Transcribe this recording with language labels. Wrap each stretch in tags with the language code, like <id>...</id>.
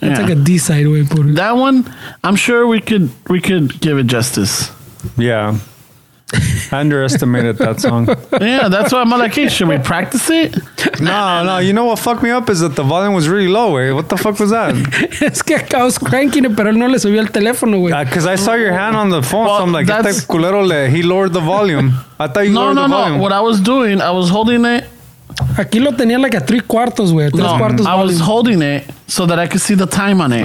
<en>a D-side, way. That one, I'm sure we could give it justice. Yeah. I underestimated that song. Yeah, that's why I'm like, hey, should we practice it? No. You know what fucked me up is that the volume was really low, wey. What the fuck was that?</en> <es>Es que I was cranking it, pero él no le subió el teléfono, wey.</es> <en>Because I saw your hand on the phone, well, so I'm like, este culero le, he lowered the volume. I thought you lowered the volume. No. What I was doing, I was holding it.</en> <es>Aquí lo tenía like a 3/4, wey. No, cuartos</es> <en>I was holding it so that I could see the time on it.</en>